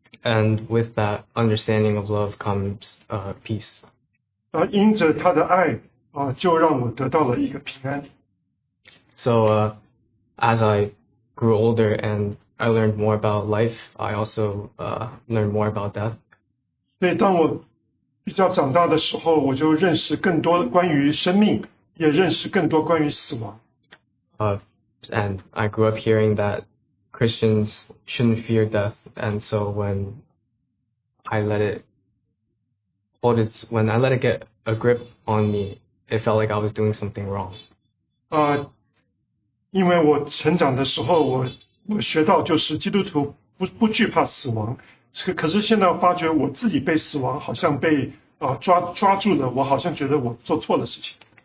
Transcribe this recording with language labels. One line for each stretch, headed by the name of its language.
English: And with that understanding of love comes peace.
Chinese: 因着他的爱、就让我得到了一个平安。
English: So as I grew older and I learned more about life, I also learned more about death.
Chinese: 所以当我比较长大的时候，我就认识更多关于生命，也认识更多关于死亡。
English: And I grew up hearing that Christians shouldn't fear death, and so when I let it get a grip on me, it felt like I was doing something wrong.
Chinese: 因为我成长的时候，我学到就是基督徒不惧怕死亡。可是现在发觉我自己被死亡好像被抓住了，我好像觉得我做错了事情。